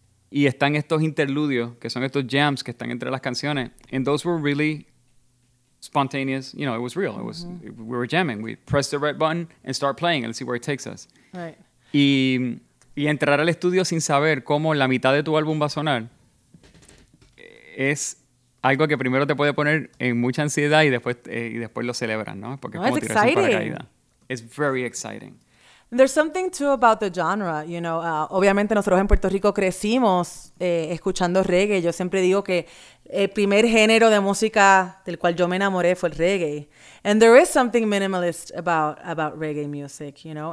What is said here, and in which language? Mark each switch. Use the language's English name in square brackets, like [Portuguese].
[Spanish] Y están estos interludios, que son estos jams que están entre las canciones. [English] And those were really... spontaneous, you know, it was real. It was mm-hmm. We were jamming. We press the red button and start playing and see where it takes us. Right. [Spanish] Y entrar al estudio sin saber cómo la mitad de tu álbum va a sonar es algo que primero te puede poner en mucha ansiedad y después lo celebran, ¿no? Porque es como tirarse un paracaídas. [English] It's very exciting. There's something too about the genre, you know. [Spanish] Obviamente nosotros en Puerto Rico crecimos escuchando reggae. Yo siempre digo que el primer género de música del cual yo me enamoré fue el reggae. [English] And there is something minimalist about reggae music, you know.